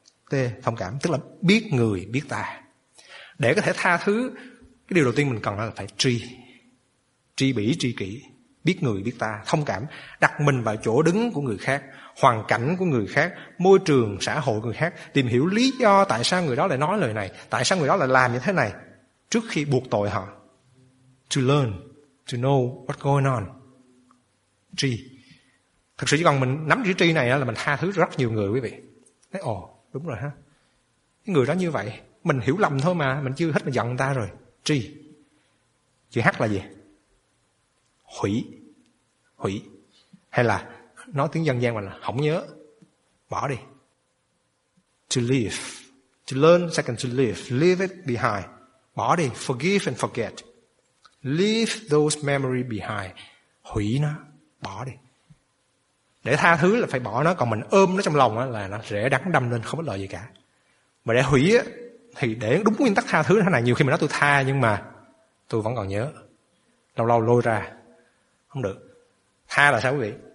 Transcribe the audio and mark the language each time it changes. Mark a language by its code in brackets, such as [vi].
[vi] T, thông cảm, tức là biết người, biết ta. Để có thể tha thứ, cái điều đầu tiên mình cần là phải tri. Tri bỉ, tri kỷ, biết người, biết ta, thông cảm. Đặt mình vào chỗ đứng của người khác, hoàn cảnh của người khác, môi trường, xã hội người khác, tìm hiểu lý do tại sao người đó lại nói lời này, tại sao người đó lại làm như thế này, trước khi buộc tội họ. [en] To learn, to know what's going on. [vi] Tri. Thực sự chỉ cần mình nắm chữ tri này là mình tha thứ rất nhiều người, quý vị. Nói, ồ, đúng rồi ha. Cái người đó như vậy, mình hiểu lầm thôi mà, mình chưa hết mà giận người ta rồi. Tri. Chữ H là gì? Hủy. Hủy. Hay là nói tiếng dân gian mà là không nhớ, bỏ đi. [en] To leave. To learn, second to leave. Leave it behind. [vi] Bỏ đi. [en] Forgive and forget. Leave those memories behind. [vi] Hủy nó, bỏ đi. Để tha thứ là phải bỏ nó. Còn mình ôm nó trong lòng là nó rễ đắng đâm lên, không có lợi gì cả. Mà để hủy thì để đúng nguyên tắc tha thứ thế này. Nhiều khi mình nói tôi tha nhưng mà tôi vẫn còn nhớ, lâu lâu lôi ra, không được. Tha là sao quý vị?